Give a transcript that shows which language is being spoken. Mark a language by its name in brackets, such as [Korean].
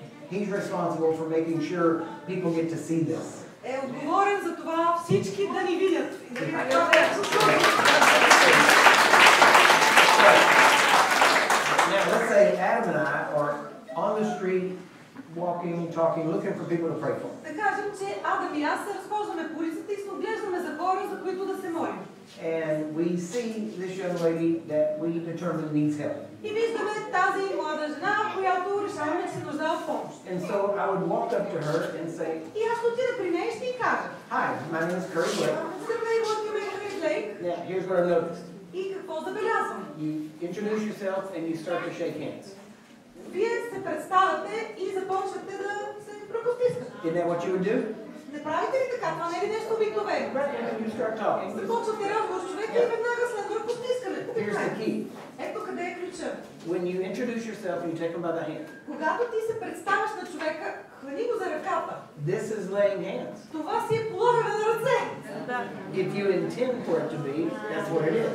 [English] He's responsible for making sure people get to see this. Now let's say Adam and I are on the street, walking, talking, looking for people to pray for. [Bulgarian] Да кажем, че Адам и аз се разхождаме по улицата и се оглеждаме за хора, за които да се молим. [English] And we see this young lady that we determined needs help. [Bulgarian] И виждаме тази млада жена, която решаваме, че се нуждае от помощ. [English] And so I would walk up to her and say. [Bulgarian] И аз отида при нея и ще й кажа. [English] Hi, my name is Curry Blake. [Bulgarian] Здравей, моят име е Curry Blake. [English] Yeah, here's what I noticed. [Bulgarian] И какво забелязвам? [English] You introduce yourself and you start to shake hands. [Bulgarian] Вие се представяте и започвате да се ръкостискате. [English] Isn't that what you would do? [Bulgarian] Не правите ли така? Това не е нещо обикновено. Започвате разговор с човека и веднага след ръкостискането. [English] Here's the key. [Bulgarian] Ето къде е ключа. [English] When you introduce yourself and you take him by the hand. [Bulgarian] Когато ти се представяш на човека, хвани го за ръката. [English] This is laying hands. [Bulgarian] Това си е положение на ръце. [English] If you intend for it to be, that's where it is.